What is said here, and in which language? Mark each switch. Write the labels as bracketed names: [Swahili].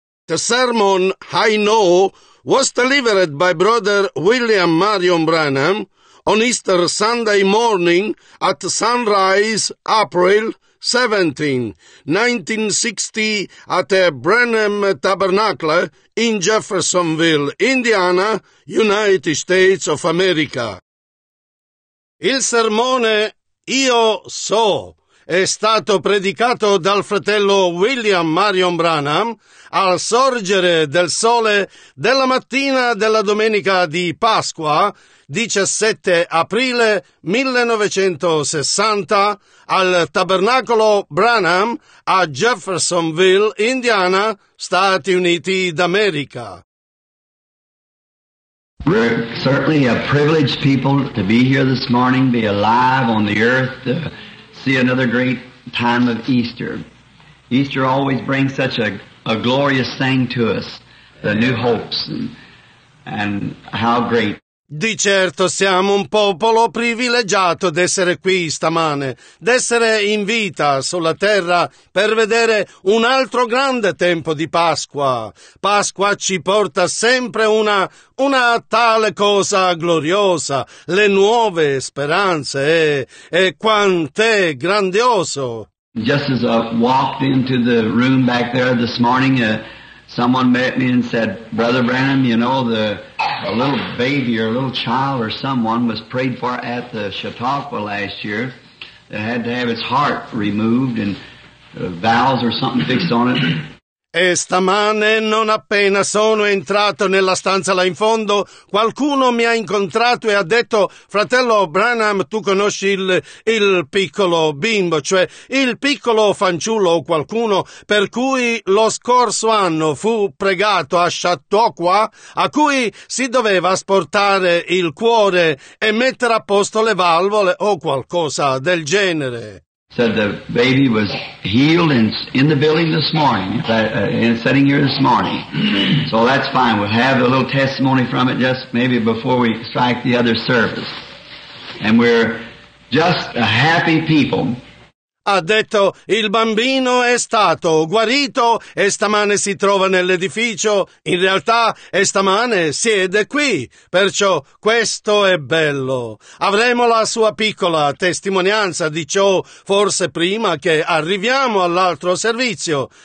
[English] The sermon, I Know, was delivered by Brother William Marion Branham on Easter Sunday morning at sunrise, April 17, 1960, at a Branham Tabernacle in Jeffersonville, Indiana, United States of America. [Italian] Il sermone Io So è stato predicato dal fratello William Marion Branham al sorgere del sole della mattina della domenica di Pasqua, 17 aprile 1960, al Tabernacolo Branham a Jeffersonville, Indiana, Stati Uniti d'America. [English] We're certainly a privileged people to be here this morning, be alive on the earth, to see another great time of Easter. Easter always brings such a glorious thing to us, the new hopes, and how great. [Italian] Di certo siamo un popolo privilegiato d'essere qui stamane, d'essere in vita sulla terra per vedere un altro grande tempo di Pasqua. Pasqua ci porta sempre una tale cosa gloriosa, le nuove speranze, e quant'è grandioso! [English] Just as I walked into the room back there this morning, someone met me and said, Brother Branham, you know, a little baby or a little child or someone was prayed for at the Chautauqua last year that had to have its heart removed and valves or something fixed on it. [Italian] E stamane, non appena sono entrato nella stanza là in fondo, qualcuno mi ha incontrato e ha detto, fratello Branham, tu conosci il piccolo bimbo, cioè il piccolo fanciullo o qualcuno per cui lo scorso anno fu pregato a Chautauqua, a cui si doveva asportare il cuore e mettere a posto le valvole o qualcosa del genere. [English] Said the baby was healed and in the building this morning, and sitting here this morning. So that's fine. We'll have a little testimony from it just maybe before we strike the other service. And we're just a happy people. [Italian] Ha detto il bambino è stato guarito e stamane si trova nell'edificio. In realtà e stamane siede qui. Perciò questo è bello. Avremo la sua piccola testimonianza di ciò forse prima che arriviamo all'altro servizio.